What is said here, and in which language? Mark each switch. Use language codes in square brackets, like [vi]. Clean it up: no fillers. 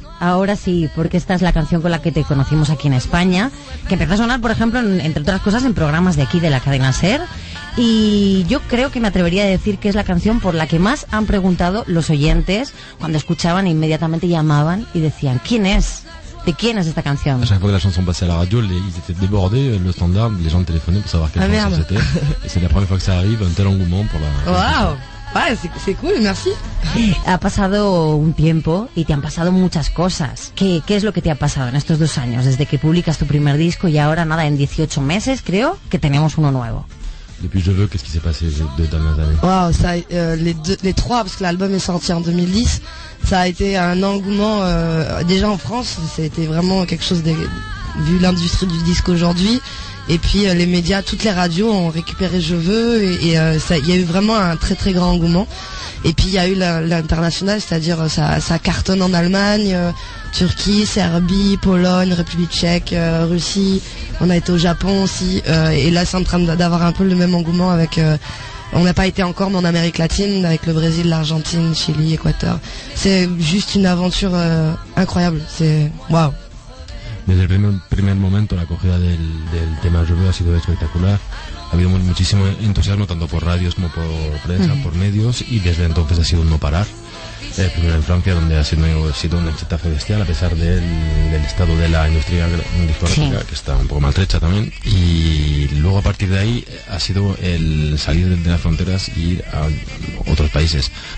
[es] Ahora sí, porque esta es la canción con la que te conocimos aquí en España, que empezó a sonar, por ejemplo, entre otras cosas, en programas de aquí, de la cadena SER, y yo creo que me atrevería a decir que es la canción por la que más han preguntado los oyentes cuando escuchaban e inmediatamente llamaban y decían, ¿quién es? ¿De quién es esta canción? [fr] A chaque fois que la chanson passait à la radio, ils étaient débordés, le standard, les gens téléphonaient pour savoir quelle chanson c'était. Et c'est la première fois que ça arrive, un tel engouement pour la... Wow. Ah, c'est cool, merci. [es] Ha pasado un tiempo y te han pasado muchas cosas. ¿Qué es lo que te ha pasado en estos dos años? Desde que publicas tu primer disco y ahora, nada, en 18 meses, creo, que tenemos uno nuevo. [fr] Depuis Je veux, qu'est-ce qui s'est passé les deux dernières années? Wow, ça, les trois, parce que l'album est sorti en 2010, ça a été un engouement, déjà en France, c'était vraiment quelque chose de, vu l'industrie du disque aujourd'hui. Et puis les médias, toutes les radios ont récupéré Je veux et ça, y a eu vraiment un très très grand engouement. Et puis il y a eu l'international, c'est-à-dire ça cartonne en Allemagne, Turquie, Serbie, Pologne, République Tchèque, Russie. On a été au Japon aussi et là c'est en train d'avoir un peu le même engouement avec... on n'a pas été encore mais en Amérique latine avec le Brésil, l'Argentine, Chili, Équateur. C'est juste une aventure incroyable, c'est waouh. [es] Desde el primer momento la acogida del tema Je veux ha sido espectacular. Ha habido muchísimo entusiasmo tanto por radios como por prensa, uh-huh. por medios, y desde entonces ha sido un no parar. Primero en Francia, donde ha sido un exitazo bestial a pesar del estado de la industria discográfica, sí. que está un poco maltrecha también, y luego a partir de ahí ha sido el salir de las fronteras e ir a otros países.